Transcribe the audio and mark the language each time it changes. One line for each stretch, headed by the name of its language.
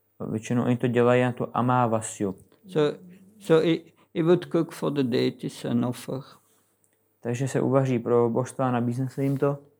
Czech: Většinou oni to dělají na tu amavasyu.
English: So he would cook for the deities and offer.
Czech: Takže se uvaří pro božstva a nabízne se jim to.